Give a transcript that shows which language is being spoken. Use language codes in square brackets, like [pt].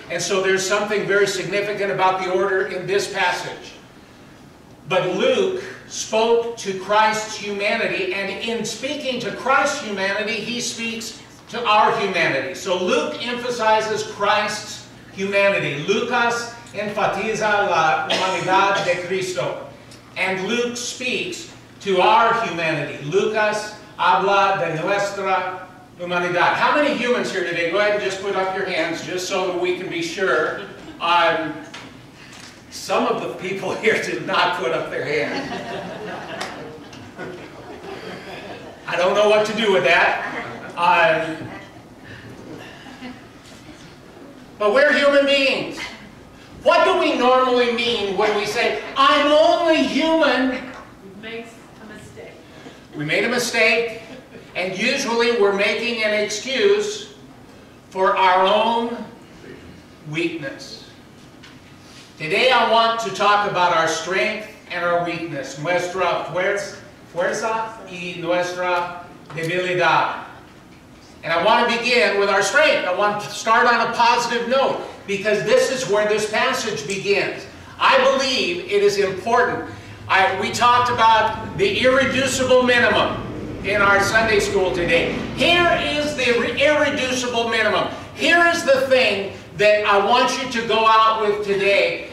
[en] And so there's something very significant about the order in this passage. But Luke spoke to Christ's humanity, and in speaking to Christ's humanity, he speaks to our humanity. So Luke emphasizes Christ's humanity. [es] Lucas enfatiza la humanidad de Cristo. [en] And Luke speaks to our humanity. [es] Lucas habla de nuestra humanidad. [en] How many humans here today? Go ahead and just put up your hands just so we can be sure. Some of the people here did not put up their hand. I don't know what to do with that. But we're human beings. What do we normally mean when we say, I'm only human? We make a mistake. We made a mistake, and usually we're making an excuse for our own weakness. Today I want to talk about our strength and our weakness. [es] Nuestra fuerza y nuestra debilidad. [en] And I want to begin with our strength. I want to start on a positive note, because this is where this passage begins. I believe it is important. We talked about the irreducible minimum in our Sunday school today. Here is the irreducible minimum. Here is the thing that I want you to go out with today.